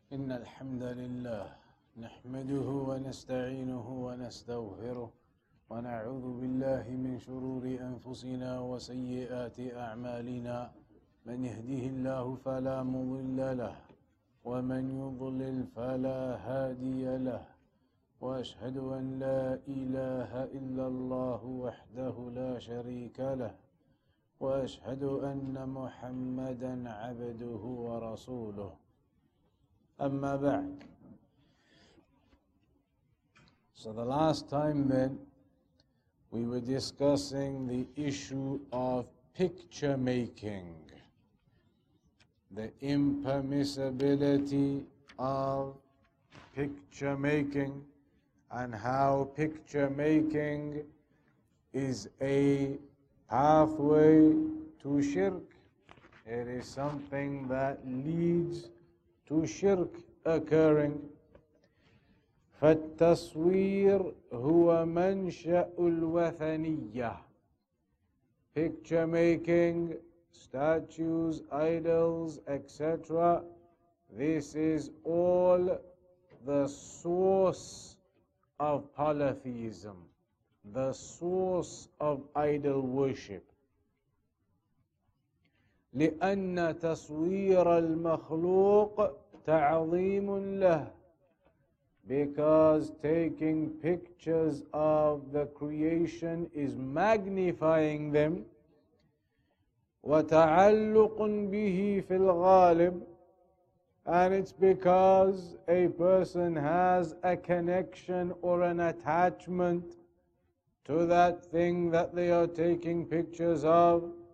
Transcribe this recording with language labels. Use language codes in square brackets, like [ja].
[ar] إن الحمد لله نحمده ونستعينه ونستغفره ونعوذ بالله من شرور أنفسنا وسيئات أعمالنا، من يهده الله فلا مضل له ومن يضلل فلا هادي له، وأشهد أن لا إله إلا الله وحده لا شريك له، وأشهد أن محمدا عبده ورسوله، أما بعد. [en] So the last time then, we were discussing the issue of picture making, the impermissibility of picture making, and how picture making is a pathway to shirk. It is something that leads to shirk occurring. [ar] فالتصوير هو منشأ الوثنية. [en] Picture making, statues, idols, etc. This is all the source of polytheism, the source of idol worship. [ar] لأن تصوير المخلوق تعظيم له. [en] Because taking pictures of the creation is magnifying them. [ar] وتعلق به في الغالب. [en] And it's because a person has a connection or an attachment to that thing that they are taking pictures of.